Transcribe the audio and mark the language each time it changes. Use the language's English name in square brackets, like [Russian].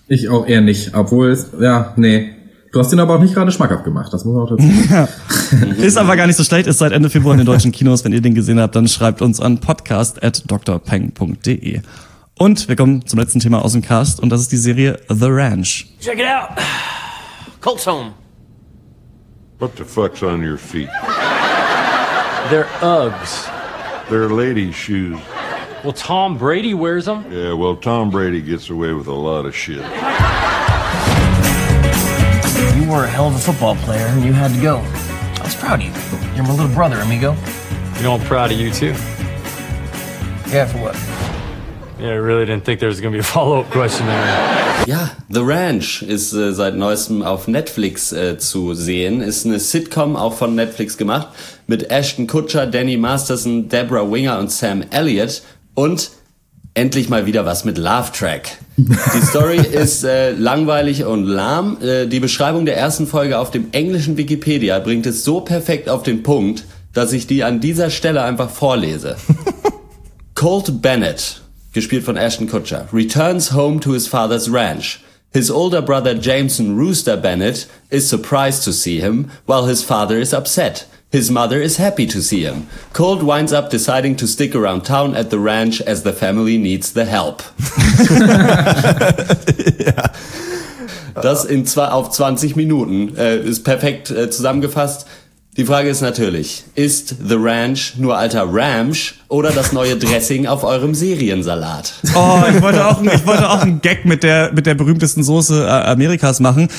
[German] Ich auch eher nicht, obwohl es, du hast ihn aber auch nicht gerade schmackhaft gemacht, das muss man auch dazu sagen. Ist aber gar nicht so schlecht, ist seit Ende Februar in den deutschen Kinos. Wenn ihr den gesehen habt, dann schreibt uns an podcast@drpeng.de. Und wir kommen zum letzten Thema aus dem Cast und das ist die Serie The Ranch. [English] Check it out. Colt's home. What the fuck's on your feet? They're Uggs. They're lady shoes. Well, Tom Brady wears them. Yeah, well, Tom Brady gets away with a lot of shit. You are hell of a football player, and you had to go. I was proud of you. You're my little brother, amigo. You know, I'm proud of you, too. Yeah, for what? Yeah, I really didn't think there was going to be a follow-up question there. [German] Ja, The Ranch ist seit neuestem auf Netflix zu sehen. Ist eine Sitcom, auch von Netflix gemacht, mit Ashton Kutcher, Danny Masterson, Deborah Winger und Sam Elliott. Und endlich mal wieder was mit Laugh Track. Die Story ist langweilig und lahm. Die Beschreibung der ersten Folge auf dem englischen Wikipedia bringt es so perfekt auf den Punkt, dass ich die an dieser Stelle einfach vorlese. [English] Colt Bennett, [German] gespielt von [English] Ashton Kutcher, returns home to his father's ranch. His older brother Jameson Rooster Bennett is surprised to see him, while his father is upset. His mother is happy to see him. Colt winds up deciding to stick around town at the ranch as the family needs the help. [German] Das in auf 20 Minuten ist perfekt zusammengefasst. Die Frage ist natürlich, ist The Ranch nur alter Ramsch oder das neue Dressing auf eurem Seriensalat? Oh, ich wollte auch einen Gag mit der berühmtesten Soße Amerikas machen.